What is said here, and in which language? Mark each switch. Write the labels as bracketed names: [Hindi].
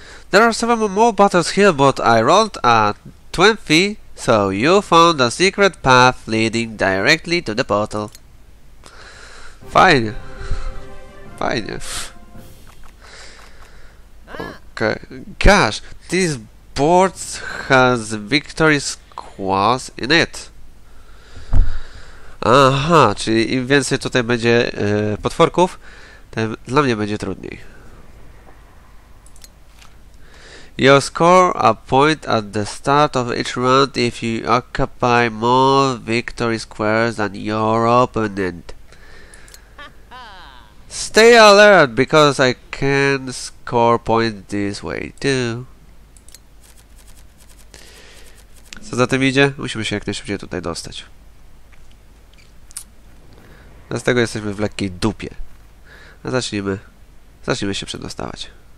[English] There are several more battles here, but I rolled a 20, so you found a secret path leading directly to the portal. [Polish] Fajnie. Fajnie. [English] Okay. Gosh, this board has victory's claws in it. [Polish] Aha, czyli im więcej tutaj będzie potworków, tym dla mnie będzie trudniej. [English] You score a point at the start of each round if you occupy more victory squares than your opponent. Stay alert, because I can score points this way too. [Polish] Co za tym idzie? Musimy się jak najszybciej tutaj dostać. Z tego jesteśmy w lekkiej dupie. A zacznijmy się przedostawać.